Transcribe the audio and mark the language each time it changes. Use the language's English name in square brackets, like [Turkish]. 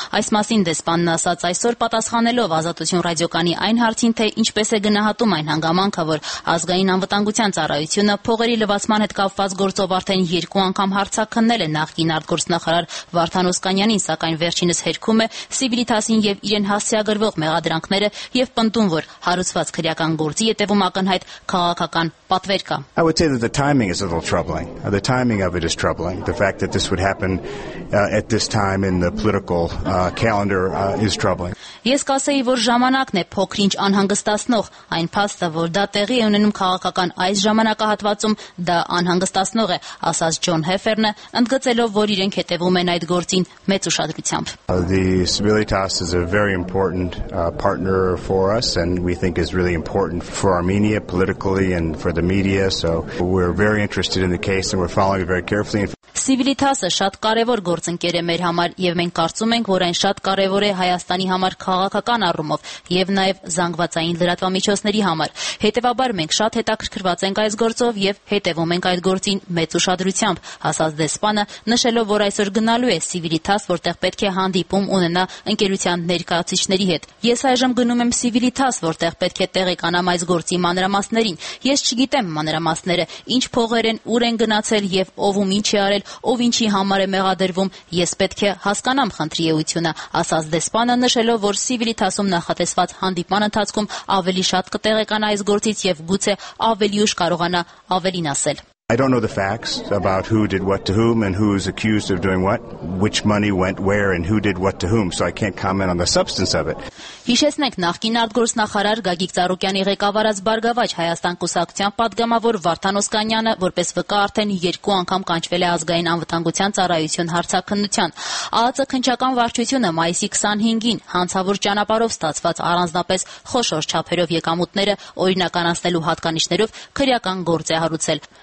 [Armenian] Այս մասին դեսպանն ասաց այսօր պատասխանելով Ազատություն ռադիոկանի այն հարցին, թե ինչպես է գնահատում այն հանգամանքը, որ ազգային անվտանգության ծառայությունը փողերի լվացման հետ կապված գործով արդեն 2 անգամ հարցաքննել է նախկին արտգործնախարար Վարդան Օսկանյանին, սակայն վերջինս հերքում է Սիվիլիտասին և իրեն հասցեագրվող մեղադրանքները և պնդում, որ հարուցված քրեական [English] I would say that the timing is a little troubling. The timing of it is troubling. The fact that this would happen at this time in the political calendar is troubling. [Armenian] Ես կասեի, որ ժամանակն է փոքրինչ անհանգստացնող, այն փաստը, որ դա տեղի ունենում քաղաքական այս ժամանակահատվածում, դա անհանգստացնող է, ասաց Ջոն Հեֆերնը, ընդգծելով, որ իրենք հետևում են այդ գործին մեծ ուշադրությամբ. [English] The Civilitas is a very important partner for us and we think is really important for Armenia politically and for the media, so we're very interested in the case and we're following it very carefully. [Armenian] Սիվիլիտասը շատ կարևոր գործընկեր է մեր համար և մենք կարծում ենք, որ այն շատ կարևոր է Հայաստանի համար քաղաքական առումով և նաև զանգվածային լրատվամիջոցների համար։ Հետևաբար մենք շատ հետաքրքրված ենք այս գործով և հետևում ենք այդ գործին մեծ ուշադրությամբ, ասաց դեսպանը, նշելով, որ այսօր գնալու է Սիվիլիտաս, որտեղ պետք է հանդիպում ունենա ընկերության ներկայացուցիչների հետ։ Ես այժմ գնում եմ Սիվիլիտաս, որտեղ պետք է տեղեկանամ այս գործի մանրամասներին։ Ես չգիտեմ մանրամասները, ինչ փողեր են, ուր են գնացել և ովում ինչ է արել, ով ինչի համար է մեղադրվում, ես պետք է հասկանամ խնդրի էությունը, ասաց դեսպանը, նշելով, որ Սիվիլիտասում նախատեսված հանդիպան ընթացքում ավելի շատ կտեղեկանա այս գործից և գուցե ավելի ուշ կարողանա ավելին ասել։ [English] I don't know the facts about who did what to whom and who is accused of doing what, which money went where and who did what to whom, so I can't comment on the substance of it. [Armenian] Հիշեցնենք, նախկին արտգործնախարար Գագիկ Ծառուկյանի ղեկավարած բարգավաճ Հայաստան կուսակցության պատգամավոր Վարդան Օսկանյանը, որպես ՎԿ-ը, արդեն 2 անգամ կանչվել է ազգային անվտանգության ծառայություն հարցաքննության։ ԱԱՀ-ի քնչական վարչությունը մայիսի 25-ին հանցավոր ճանապարհով ստացված առանձնապես խոշոր չափերով եկամուտները օրինականացնելու հատկանիշներով քրեական գործ է հարուցել,